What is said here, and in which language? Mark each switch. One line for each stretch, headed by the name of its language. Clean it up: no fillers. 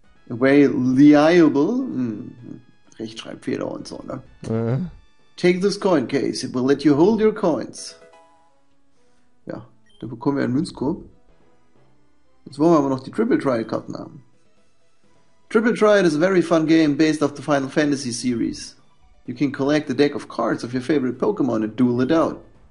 German: Available? Rechtschreibfehler und so, ne?
English: Take this coin case, it will let you hold your coins.
German: Ja, da bekommen wir einen Münzkorb. Jetzt wollen wir aber noch die Triple Triad Karten haben.
English: Triple Triad is a very fun game based off the Final Fantasy series. You can collect a deck of cards of your favorite Pokemon and duel it out.